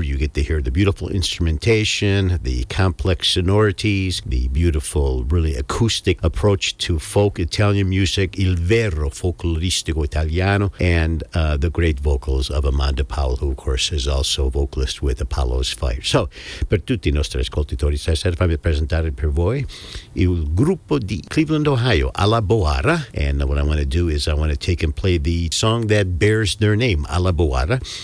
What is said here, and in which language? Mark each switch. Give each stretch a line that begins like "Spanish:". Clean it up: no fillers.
English: You get to hear the beautiful instrumentation, the complex sonorities, the beautiful, really acoustic approach to folk Italian music,
Italian: il vero folkloristico italiano,
English: and the great vocals of Amanda Powell, who of course is also vocalist with Apollo's Fire.
Italian: So, per tutti I nostri ascoltatori, stasera fammi presentare per voi il gruppo di Cleveland, Ohio, Alla Boara.
English: And what I want to do is I want to take and play the song that bears their name, Alla Boara.